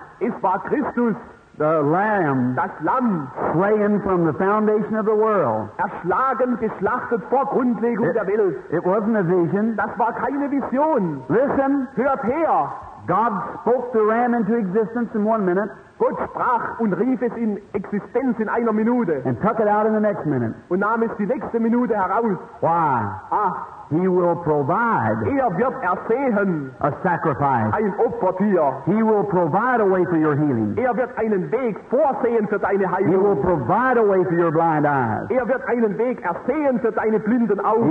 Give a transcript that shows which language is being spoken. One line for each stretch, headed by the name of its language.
German: Es war Christus.
English: The lamb,
German: das Lamm,
English: slain from the foundation of the world,
German: erschlagen, geschlachtet vor Grundlegung der Welt.
English: It wasn't a vision.
German: Das war keine Vision.
English: Listen,
German: hört her.
English: God spoke the ram into existence in 1 minute.
German: Gott sprach und rief es in Existenz in einer Minute.
English: And took it out in the next minute.
German: Und nahm es die nächste Minute heraus.
English: Why? Ah, he will provide.
German: Er wird ersehen.
English: A sacrifice.
German: Ein Opfertier.
English: He will provide a way for your healing.
German: Er wird einen Weg vorsehen für deine Heilung.
English: He will provide a way for your blind eyes.
German: Er wird einen Weg ersehen für deine blinden Augen.